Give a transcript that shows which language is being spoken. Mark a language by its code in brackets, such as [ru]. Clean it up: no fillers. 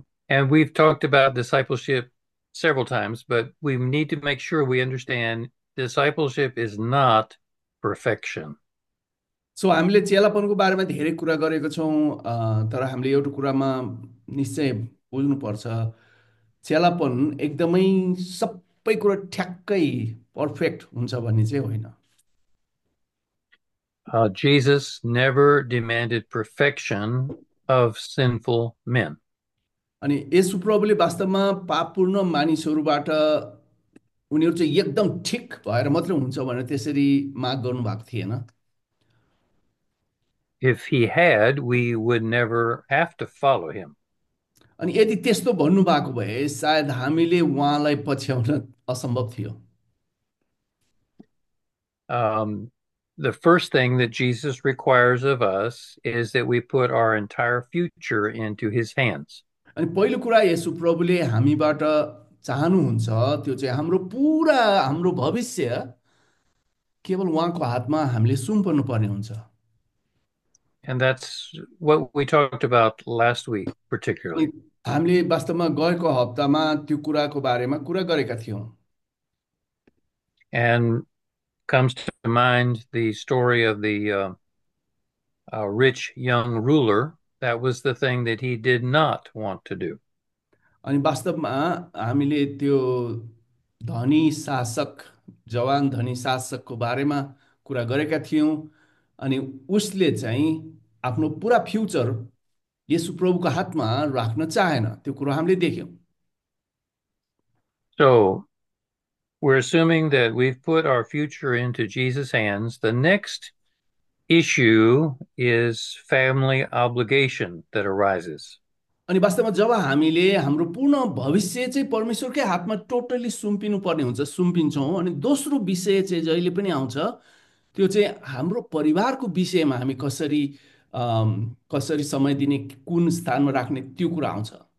[en] And we've talked about discipleship several times, but we need to make sure we understand discipleship is not perfection. [ne] So हामीले चेलापनको बारेमा धेरै कुरा गरेको छौँ, तर हामीले एउटा कुरामा निश्चय बुझ्नुपर्छ। चेलापन एकदमै सबै कुरा ठ्याक्कै पर्फेक्ट हुन्छ भन्ने चाहिँ होइन। [en] Jesus never demanded perfection of sinful men. [ne] अनि यसु प्रभुले वास्तवमा पापपूर्ण मानिसहरूबाट उनीहरू चाहिँ एकदम ठिक भएर मात्रै हुन्छ भनेर त्यसरी माग गर्नुभएको थिएन। [en] If he had, we would never have to follow him. [ne] अनि यदि त्यस्तो भन्नुभएको भए सायद हामीले उहाँलाई पछ्याउन असम्भव थियो। [en] The first thing that Jesus requires of us is that we put our entire future into his hands. [ne] अनि पहिलो कुरा येशू प्रभुले हामीबाट चाहनुहुन्छ त्यो चाहिँ हाम्रो पुरा हाम्रो भविष्य केवल उहाँको हातमा हामीले सुम्पनु पर्ने हुन्छ। [en] And that's what we talked about last week, particularly. [ne] हामीले वास्तवमा गएको हप्तामा त्यो कुराको बारेमा कुरा गरेका थियौँ। [en] And comes to mind the story of the rich young ruler. That was the thing that he did not want to do. [ne] अनि वास्तवमा हामीले त्यो धनी शासक, जवान धनी शासकको बारेमा कुरा गरेका थियौँ, अनि उसले चाहिँ आफ्नो पुरा फ्युचर येशु प्रभुको हातमा राख्न चाहेन, त्यो कुरो हामीले देख्यौँ। [en] So, we're assuming that we've put our future into Jesus' hands. The next issue is family obligation that arises. [ne] अनि वास्तवमा जब हामीले हाम्रो पूर्ण भविष्य चाहिँ परमेश्वरकै हातमा टोटली सुम्पिनु पर्ने हुन्छ, सुम्पिन्छौँ, अनि दोस्रो विषय चाहिँ जहिले पनि आउँछ त्यो चाहिँ हाम्रो परिवारको विषयमा हामी कसरी कसरी समय दिने, कुन स्थानमा राख्ने, त्यो कुरा आउँछ।